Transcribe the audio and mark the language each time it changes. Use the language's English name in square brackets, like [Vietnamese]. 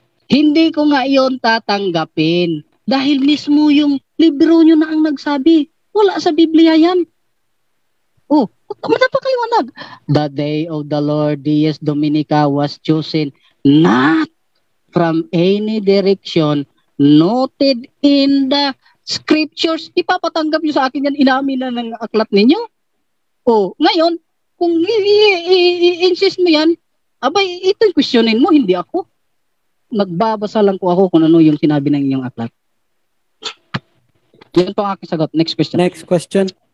[Filipino] Hindi ko nga iyon tatanggapin dahil mismo yung libro nyo na ang nagsabi. Wala sa Biblia yan. Oh, napakaliwanag. [English] The day of the Lord, Dies Dominica, was chosen not from any direction noted in the scriptures. [Filipino] Ipapatanggap nyo sa akin yan, inamin na ng aklat ninyo? O, ngayon, kung i-insist mo yan, abay, ito yung questionin mo, hindi ako. Nagbabasa lang ko ako kung ano yung sinabi ng inyong aklat. Yan po ang aking sagot. [English] Next question.